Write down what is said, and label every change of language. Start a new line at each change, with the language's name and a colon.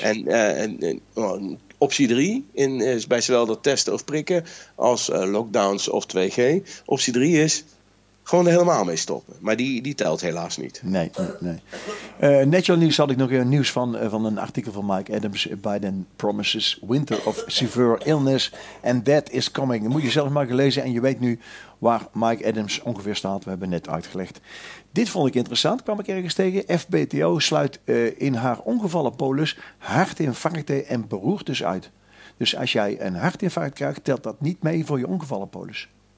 Dutch: En optie 3 is bij zowel dat testen of prikken als lockdowns of 2G. Optie 3 is gewoon er helemaal mee stoppen. Maar die telt helaas niet. Nee. National News had ik nog een nieuws van een artikel van Mike Adams.
English: Biden promises winter of severe illness and death is coming.
Dutch: Dat moet je zelf maar gelezen en je weet nu waar Mike Adams ongeveer staat. We hebben net uitgelegd. Dit vond ik interessant, kwam ik ergens tegen. FBTO sluit in haar ongevallen polis hartinfarcten en beroertes uit. Dus als jij een hartinfarct krijgt, telt dat niet mee voor je ongevallen polis.